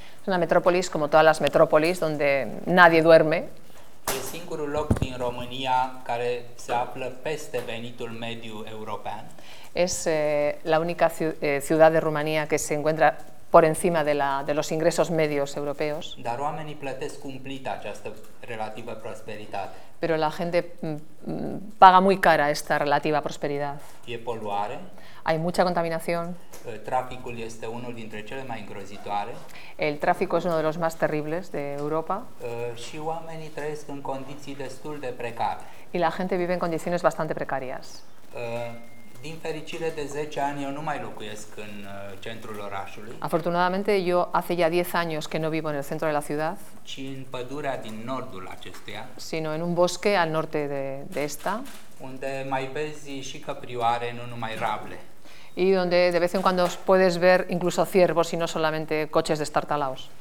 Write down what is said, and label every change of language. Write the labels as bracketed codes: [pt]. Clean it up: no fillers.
[es] Es una metrópolis como todas las metrópolis donde nadie duerme. [ro] E singurul loc din România care se află peste venitul mediu european. [es] Es la única ciudad de Rumanía que se encuentra por encima de los ingresos medios europeos. [ro] Dar oamenii plătesc cumplit această relativă prosperitate. [es] Pero la gente paga muy cara esta relativa prosperidad. [ro] E poluare. [es] Hay mucha contaminación. [ro] Traficul este unul dintre cele mai îngrozitoare. [es] El tráfico es uno de los más terribles de Europa. [ro] Și oamenii trăiesc în condiții destul de precare. [es] Y la gente vive en condiciones bastante precarias. [ro] Din fericire, de 10 ani eu nu mai locuiesc în centrul orașului. [es] Afortunadamente, yo hace ya 10 años que no vivo en el centro de la ciudad. [ro] Ci în pădurea din nordul acesteia. [es] Sino en un bosque al norte de esta. [ro] Unde mai vezi și căprioare, nu numai rable. [es] Y donde de vez en cuando puedes ver incluso ciervos y no solamente coches destartalados.